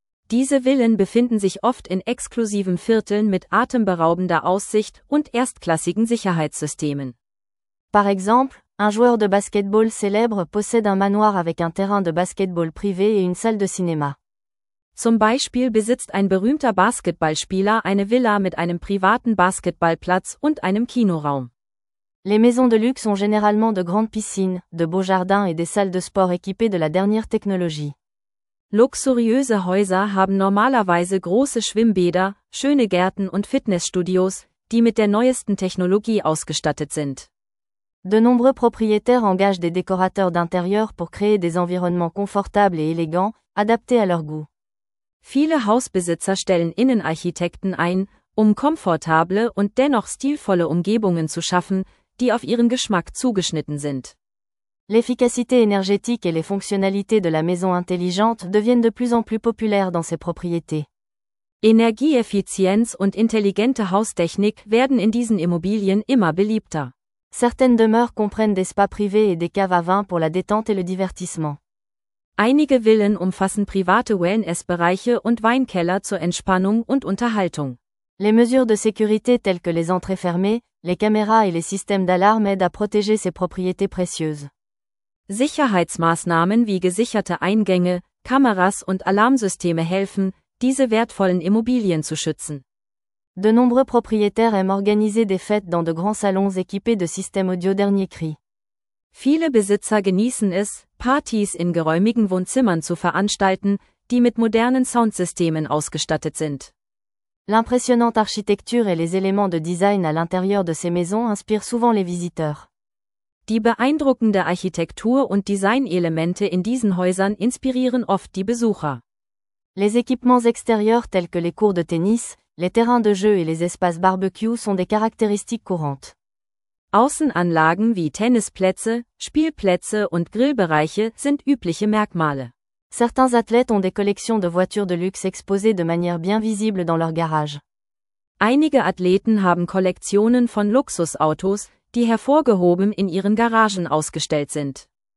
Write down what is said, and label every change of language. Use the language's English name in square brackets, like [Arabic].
[German] Diese Villen befinden sich oft in exklusiven Vierteln mit atemberaubender Aussicht und erstklassigen Sicherheitssystemen. [French] Par exemple, un joueur de basketball célèbre possède un manoir avec un terrain de basketball privé et une salle de cinéma. [German] Zum Beispiel besitzt ein berühmter Basketballspieler eine Villa mit einem privaten Basketballplatz und einem Kinoraum. [French] Les maisons de luxe ont généralement de grandes piscines, de beaux jardins et des salles de sport équipées de la dernière technologie. [German] Luxuriöse Häuser haben normalerweise große Schwimmbäder, schöne Gärten und Fitnessstudios, die mit der neuesten Technologie ausgestattet sind. [French] De nombreux propriétaires engagent des décorateurs d'intérieur pour créer des environnements confortables et élégants, adaptés à leur goût. [German] Viele Hausbesitzer stellen Innenarchitekten ein, um komfortable und dennoch stilvolle Umgebungen zu schaffen, die auf ihren Geschmack zugeschnitten sind. [French] L'efficacité énergétique et les fonctionnalités de la maison intelligente deviennent de plus en plus populaires dans ces propriétés. [German] Energieeffizienz und intelligente Haustechnik werden in diesen Immobilien immer beliebter. [French] Certaines demeures comprennent des spas privés et des caves à vin pour la détente et le divertissement. [German] Einige Villen umfassen private Wellness-Bereiche und Weinkeller zur Entspannung und Unterhaltung. [French] Les mesures de sécurité telles que les entrées fermées, les caméras et les systèmes d'alarme aident à protéger ces propriétés précieuses. [German] Sicherheitsmaßnahmen wie gesicherte Eingänge, Kameras und Alarmsysteme helfen, diese wertvollen Immobilien zu schützen. [French] De nombreux propriétaires aiment organiser des fêtes dans de grands salons équipés de systèmes audio dernier cri. [German] Viele Besitzer genießen es, Partys in geräumigen Wohnzimmern zu veranstalten, die mit modernen Soundsystemen ausgestattet sind. [French] L'impressionnante architecture et les éléments de design à l'intérieur de ces maisons inspirent souvent les visiteurs. [German] Die beeindruckende Architektur und Designelemente in diesen Häusern inspirieren oft die Besucher. [French] Les équipements extérieurs tels que les cours de tennis, les terrains de jeu et les espaces barbecue sont des caractéristiques courantes. [German] Außenanlagen wie Tennisplätze, Spielplätze und Grillbereiche sind übliche Merkmale. [French] Certains athlètes ont des collections de voitures de luxe exposées de manière bien visible dans leur garage. [German] Einige Athleten haben Kollektionen von Luxusautos, die hervorgehoben in ihren Garagen ausgestellt sind.